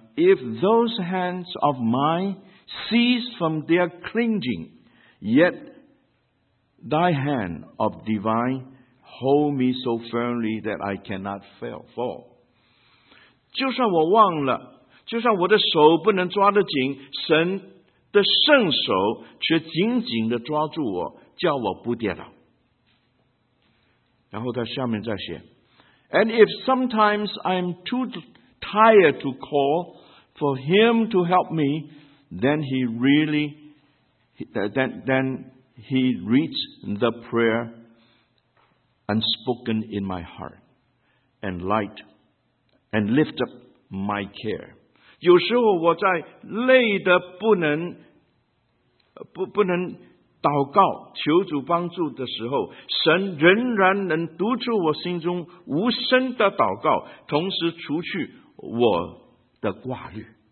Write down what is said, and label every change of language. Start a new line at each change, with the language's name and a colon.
English: If those hands of mine cease from their clinging, yet thy hand of divine hold me so firmly that I cannot fall.
Chinese: 就算我忘了，就算我的手不能抓得紧，神的圣手却紧紧地抓住我，叫我不跌倒。然后他下面再写，
English: And if sometimes I'm too tired to call for him to help me, then he reads the prayer unspoken in my heart and light and lift up my care.
Chinese: 有时候我在累得不能祷告求主帮助的时候，神仍然能读出我心中无声的祷告，同时除去我的挂虑。